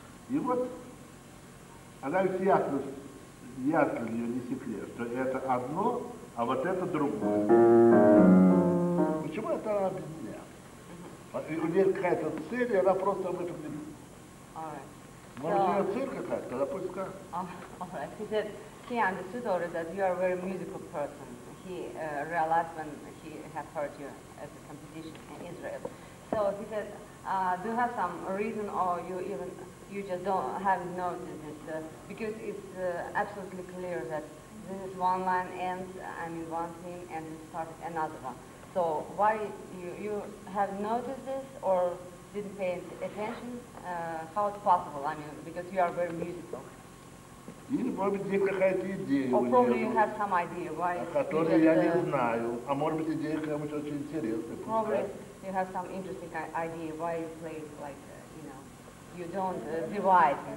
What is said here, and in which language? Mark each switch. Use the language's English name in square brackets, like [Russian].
[Russian] И вот, она ведь ясно для нее не секрет, что это одно, а вот это другое. Почему это она объединяет? У нее какая-то цель, и она просто об этом не думает. [English] All right. Well, you think of that, but I put it down. All right. He said he understood already that you are a very musical person. He realized when he had heard you at the competition in Israel. So he said, do you have some reason, or you just don't have noticed it? Because it's absolutely clear that this is one line ends, I mean one thing, and it started another one. So why you have noticed this or didn't pay attention? How it's possible? I mean, because you are very musical. [Russian] Или может быть какая-то идея. [English] Or probably you have some idea why. [Russian] Которую я не знаю. А может быть идея какая-нибудь очень интересная. [English] Probably you have some interesting idea why you play like you know you don't divide.